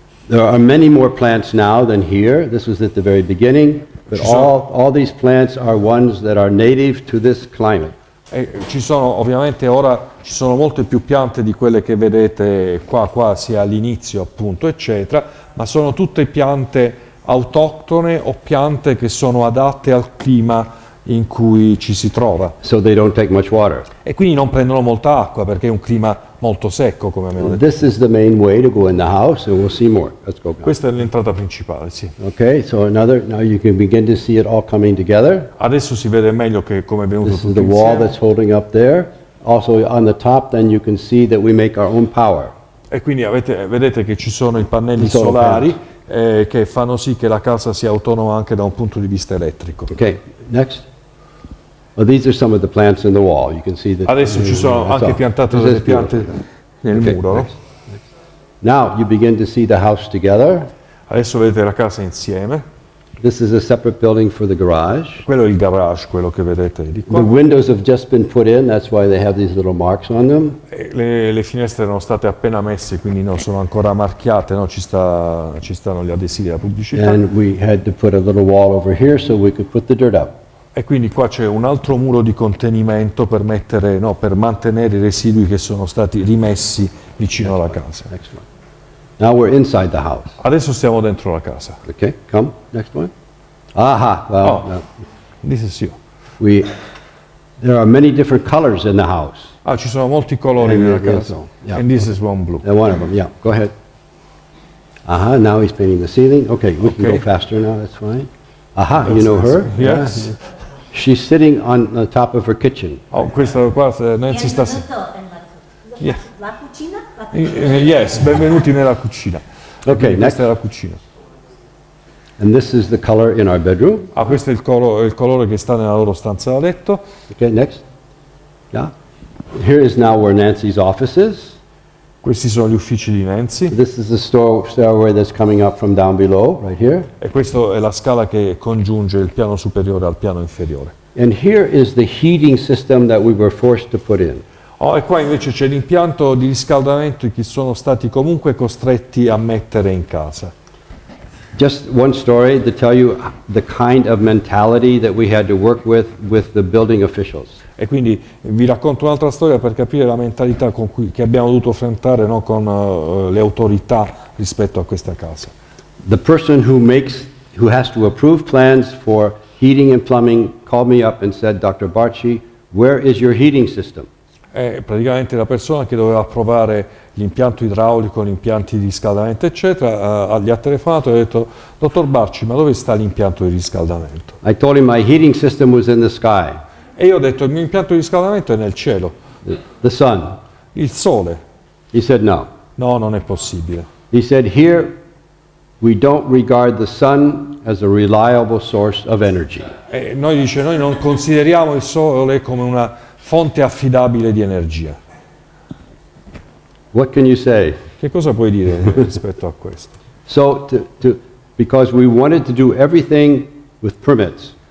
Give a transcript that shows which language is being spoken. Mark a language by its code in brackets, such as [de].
[en] There are many more plants now than here. This was at the very beginning. But all these plants are ones that are native to this climate. [it] E ci sono ovviamente ora ci sono molte più piante di quelle che vedete qua quasi all'inizio appunto eccetera, ma sono tutte piante autoctone o piante che sono adatte al clima in cui ci si trova. [en] So they don't take much water. [it] E quindi non prendono molta acqua perché è un clima molto secco come abbiamo detto. [en] This is the main way to go in the house and we'll see more. Let's go. [it] Questa è l'entrata principale, sì. [en] Okay, so another, now you can begin to see it all coming together. [it] Adesso si vede meglio che come è venuto tutto insieme. [en] This is the wall that's holding up there. Also on the top then you can see that we make our own power. [it] E quindi vedete che ci sono i pannelli solari che fanno sì che la casa sia autonoma anche da un punto di vista elettrico. [en] Okay, next. Well, these are some of the plants in the wall. You can see that. [it] Adesso ci sono anche piantate delle piante nel muro. [en] Now you begin to see the house together. [it] Adesso vedete la casa insieme. [en] This is a separate building for the garage. [it] Quello è il garage, quello che vedete di qua. [en] The windows have just been put in, that's why they have these little marks on them. [it] Le finestre erano state appena messe, quindi non sono ancora marchiate, no? Ci stanno gli adesivi della pubblicità. [en] And we had to put a little wall over here so we could put the dirt up. [it] E quindi qua c'è un altro muro di contenimento per mettere, no, per mantenere i residui che sono stati rimessi vicino alla casa. [en] Next one. Now we're inside the house. [it] Adesso stiamo dentro la casa. [en] Okay, come, next one. Aha, well, oh, no. This is you. There are many different colors in the house. [it] Ah, ci sono molti colori nella casa. [en] Yeah. And this is one blue. And one of them, yeah, go ahead. Aha, now he's painting the ceiling. Okay, we can go faster now, that's fine. Aha, you know her? Yes. Yeah. She's sitting on the top of her kitchen. [it] Oh, questa qua, Nancy sta... La cucina? Yes, benvenuti nella cucina. [en] Okay, [it] quindi [en] next. [it] Questa è la cucina. [en] And this is the color in our bedroom. [it] Ah, questo è il colore che sta nella loro stanza da letto. [en] Okay, next. Yeah. Here is now where Nancy's office is. [it] Questi sono gli uffici di Nancy. [en] This is the stairway that's coming up from down below, right here. [it] E questa è la scala che congiunge il piano superiore al piano inferiore. [en] And here is the heating system that we were forced to put in. [it] Oh, e qua invece c'è l'impianto di riscaldamento che sono stati comunque costretti a mettere in casa. [en] Just one story to tell you the kind of mentality that we had to work with the building officials. [it] E quindi vi racconto un'altra storia per capire la mentalità con cui che abbiamo dovuto affrontare, no, con le autorità rispetto a questa casa. [en] The person who has to approve plans for heating and plumbing called me up and said, Dr. Bartchy, where is your heating system? [it] È praticamente la persona che doveva approvare l'impianto idraulico, gli impianti di riscaldamento, eccetera, gli ha telefonato e ha detto, dottor Bartchy, ma dove sta l'impianto di riscaldamento? [en] I told him my heating system was in the sky. [it] E io ho detto, il mio impianto di riscaldamento è nel cielo. [en] The sun. [it] Il sole. [en] He said no. [it] No, non è possibile. [en] He said, here we don't regard the sun as a reliable source of energy. [it] E noi dice, noi non consideriamo il sole come una fonte affidabile di energia. [en] What can you say? [it] Che cosa puoi dire rispetto a questo? [en] So, because we wanted to do everything with permits.